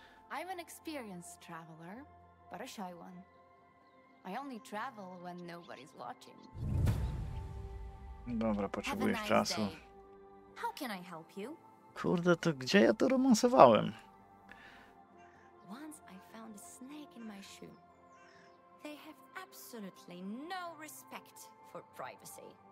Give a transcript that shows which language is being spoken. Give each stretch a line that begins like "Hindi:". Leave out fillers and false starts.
English: I'm an experienced traveler, but a shy one. I only travel when nobody's watching.
Polish: Dobra, potrzebujesz nice czasu.
English: How can I help you?
Polish: Kurde, to gdzie ja to romansowałem?
English: Once I found a snake in my shoe. They have absolutely no respect for privacy.